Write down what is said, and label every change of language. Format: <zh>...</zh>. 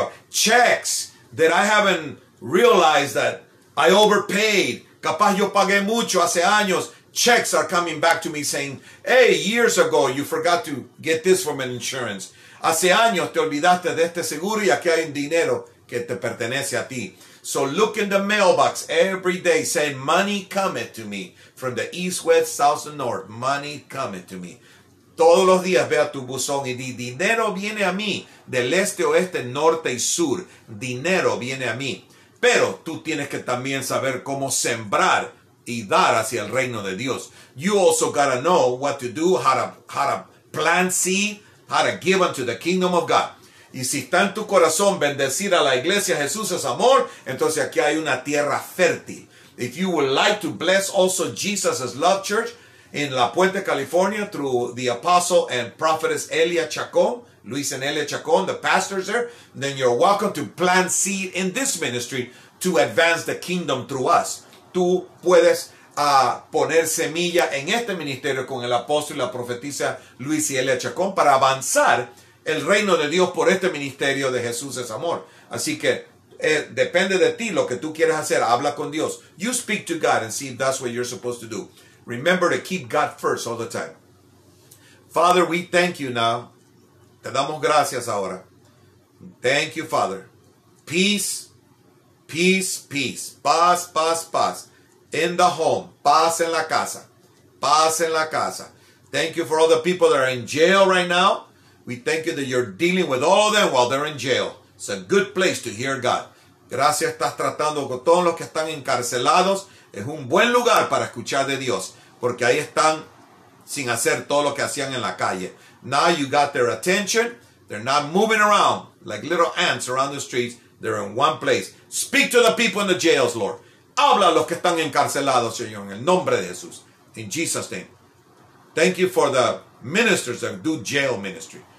<en>Checks that I haven't realized that I overpaid.</en> <es>Capaz yo pagué mucho hace años.</es> <en>Checks are coming back to me saying, hey, years ago, you forgot to get this from an insurance.</en> <es>Hace años te olvidaste de este seguro y aquí hay un dinero que te pertenece a ti.</es> <en>So look in the mailbox every day saying, money cometh to me from the east, west, south, and north. Money cometh to me.</en> <es>Todos los días ve a tu buzón y di, dinero viene a mí del este, oeste, norte y sur. Dinero viene a mí. Pero tú tienes que también saber cómo sembrar y dar hacia el reino de Dios.</es> <en>You also gotta know what to do, how to plant seed, how to give unto the kingdom of God.</en> <es>Y si está en tu corazón bendecir a la iglesia, Jesús es amor, entonces aquí hay una tierra fértil.</es> <en>If you would like to bless also Jesus' Love Church in La Puente, California, through the apostle and prophetess Elia Chacón, Luis and Elia Chacón, the pastors there, then you're welcome to plant seed in this ministry to advance the kingdom through us.</en> <es>Tú puedes poner semilla en este ministerio con el apóstol y la profetisa Luis y Elia Chacón para avanzar el reino de Dios por este ministerio de Jesús es amor. Así que depende de ti lo que tú quieres hacer. Habla con Dios.</es> <en>You speak to God and see if that's what you're supposed to do. Remember to keep God first all the time. Father, we thank you now.</en> <es>Te damos gracias ahora.</es> <en>Thank you, Father. Peace, peace, peace.</en> <es>Paz, paz, paz.</es> <en>In the home.</en> <es>Paz en la casa. Paz en la casa.</es> <en>Thank you for all the people that are in jail right now. We thank you that you're dealing with all of them while they're in jail. It's a good place to hear God.</en> <es>Gracias, estás tratando con todos los que están encarcelados. Es un buen lugar para escuchar de Dios, porque ahí están sin hacer todo lo que hacían en la calle.</es> <en>Now you got their attention. They're not moving around like little ants around the streets. They're in one place. Speak to the people in the jails, Lord.</en> <es>Habla a los que están encarcelados, Señor, en el nombre de Jesús.</es> <en>In Jesus' name. Thank you for the ministers that do jail ministry.</en>